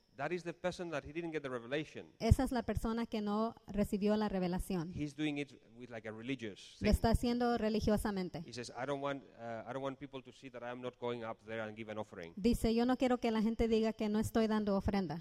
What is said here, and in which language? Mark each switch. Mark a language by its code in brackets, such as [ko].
[en] That is the person that he didn't get the revelation. [es] Esa es la persona que no recibió la revelación. [en] He's doing it with like a religious thing. [es] Le está haciendo religiosamente. [en] He says, I don't want people to see that I'm not going up there and give an offering. [es] Dice, yo no quiero que la gente diga que no estoy dando ofrenda.